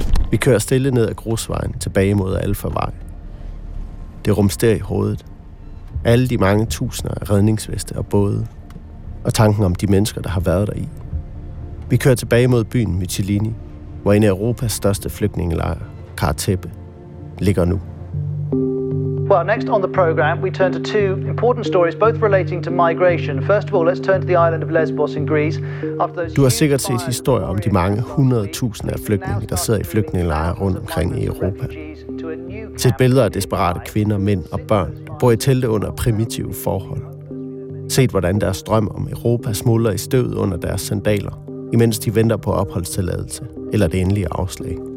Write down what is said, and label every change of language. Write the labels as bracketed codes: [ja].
[da] Vi kører stille ned ad grusvejen tilbage mod Alfa-vej. Det rumster i hovedet. Alle de mange tusinder af redningsveste og både. Og tanken om de mennesker, der har været der i. Vi kører tilbage mod byen Mytilini, hvor en af Europas største flygtningelejre, Kara Tepe, ligger nu. [en] Well, next on the program, we turn to two important stories, both relating to migration. First of all, let's turn to the island of Lesbos in Greece. [da] Du har sikkert set historier om de mange 100.000 af flygtninge, der sidder i flygtningelejre rundt omkring i Europa. Set billeder af desperate kvinder, mænd og børn, der bor i telte under primitive forhold. Set, hvordan deres drøm om Europa smuldrer i støvet under deres sandaler, imens de venter på opholdstilladelse eller det endelige afslag.